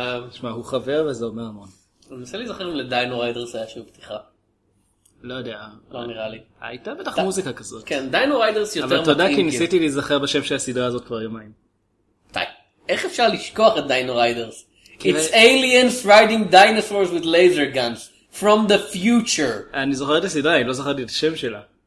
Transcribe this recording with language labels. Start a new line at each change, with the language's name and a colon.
Hebrew: תשמע, הוא חבר וזה אומר המון. אני מנסה להיזכר אם לדיינו ריידרס היה שיר פתיחה. לא יודע. לא נראה לי. הייתה בטח מוזיקה כזאת. כן, דיינו ריידרס יותר מתאים. אבל תודה כי ניסיתי להיזכר בשם של הסדרה הזאת כבר יומיים. איך אפשר לשכוח את דיינו ריידרס?
English: It's aliens riding dinosaurs with laser guns from the future.
Hebrew: אני זוכר את הסדרה, אני לא זכרתי את השם שלה.